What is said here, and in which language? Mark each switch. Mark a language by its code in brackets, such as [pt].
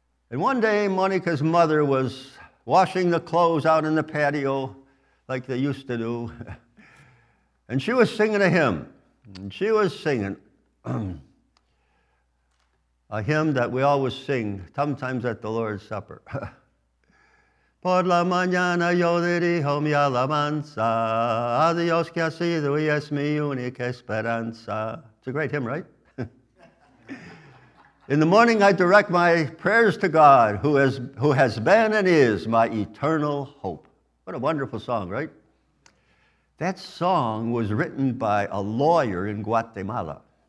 [en] And one day, Monica's mother was washing the clothes out in the patio like they used to do. And she was singing a hymn. And she was singing a hymn that we always sing, sometimes at the Lord's Supper. [es] Por la mañana yo dirijo mi alabanza, a Dios que ha sido y es mi única esperanza. [en] It's a great hymn, right? In the morning I direct my prayers to God, who has been and is my eternal hope. What a wonderful song, right? That song was written by a lawyer in Guatemala.